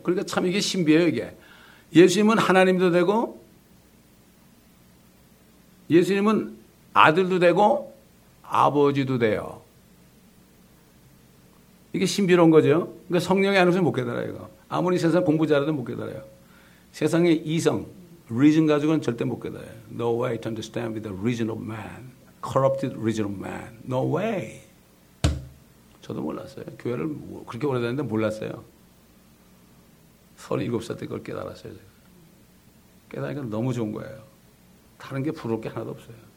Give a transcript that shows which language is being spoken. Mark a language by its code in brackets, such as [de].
[ko] 그러니까 참 이게 신비예요. 이게. 예수님은 하나님도 되고 예수님은 아들도 되고 아버지도 돼요. 이게 신비로운 거죠. 그러니까 성령이 안에서 못 깨달아요. 이거. 아무리 세상 공부 잘해도 못 깨달아요. 세상의 이성, reason 가지고는 절대 못 깨달아요. [en] No way to understand with the reason of man. Corrupted reason of man. No way. [ko] 저도 몰랐어요. 교회를 그렇게 오래 다녔는데 몰랐어요. 37살 때 그걸 깨달았어요. 제가. 깨달으니까 너무 좋은 거예요. 다른 게 부러울 게 하나도 없어요.